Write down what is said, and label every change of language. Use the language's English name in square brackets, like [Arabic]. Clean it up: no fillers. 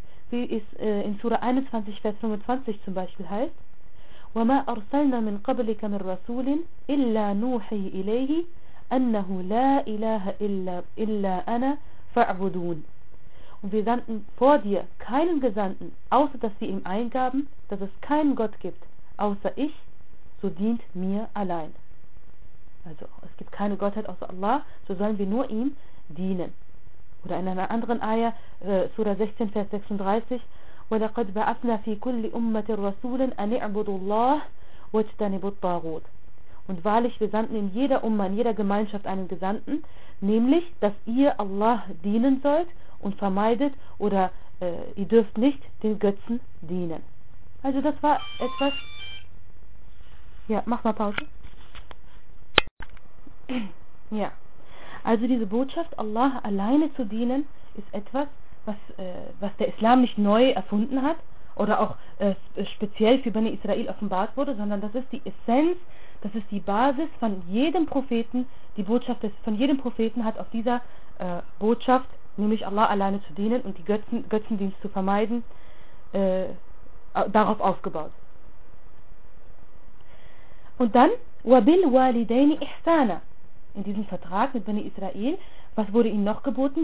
[German] Wie es in Sura 21, Vers 25 zum Beispiel heißt, [Arabic] وَمَا أَرْسَلْنَا مِنْ قَبْلِكَ مِنْ رَسُولٍ إِلَّا نُوحِي إِلَيْهِ أَنَّهُ لَا إِلَهَ إِلَّا أَنَا فَاعْبُدُونَ. [German] Und wir sandten vor dir keinen Gesandten, außer dass sie ihm eingaben, dass es keinen Gott gibt, außer ich, so dient mir allein. Also es gibt keine Gottheit außer Allah, so sollen wir nur ihm dienen. Oder in einer anderen Aya, Sura 16, Vers 36, [Arabic] وَلَقَدْ بَعَثْنَا فِي كُلِّ أُمَّةِ رَسُولٍ أَنِ اعْبُدُوا اللَّهَ وَاجْتَنِبُوا الطَّاغُوتَ. [German] Und wahrlich, wir sandten in jeder Umma, in jeder Gemeinschaft einen Gesandten, nämlich, dass ihr Allah dienen sollt und vermeidet, oder ihr dürft nicht den Götzen dienen. Also das war etwas, Ja, mach mal Pause. Ja. Also diese Botschaft, Allah alleine zu dienen, ist etwas, was der Islam nicht neu erfunden hat oder auch speziell für Bani Israel offenbart wurde, sondern das ist die Essenz, das ist die Basis von jedem Propheten. Die Botschaft des, von jedem Propheten hat auf dieser Botschaft, nämlich Allah alleine zu dienen und die Götzendienst zu vermeiden, darauf aufgebaut. Und dann, [Arabic] وَبِلْ وَالِدَيْنِ إِحْسَانًا. [German] In diesem Vertrag mit Bani Israel, was wurde ihnen noch geboten?